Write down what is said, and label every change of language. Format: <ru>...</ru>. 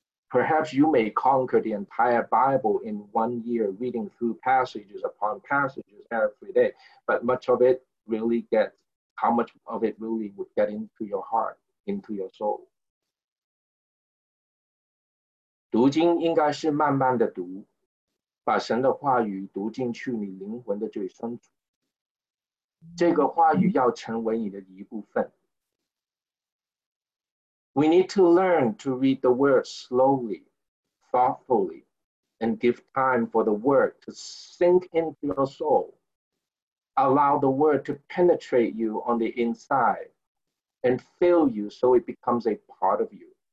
<en>Perhaps you may conquer the entire Bible in 1 year, reading through passages upon passages every day, but much of it really gets, how much of it really would get into your heart, into your soul.</en> <zh>读经应该是慢慢的读，把神的话语读进去你灵魂的最深处。这个话语要成为你的一部分。</zh> <en>We need to learn to read the word slowly, thoughtfully, and give time for the word to sink into your soul. Allow the word to penetrate you on the inside and fill you so it becomes a part of you.</en>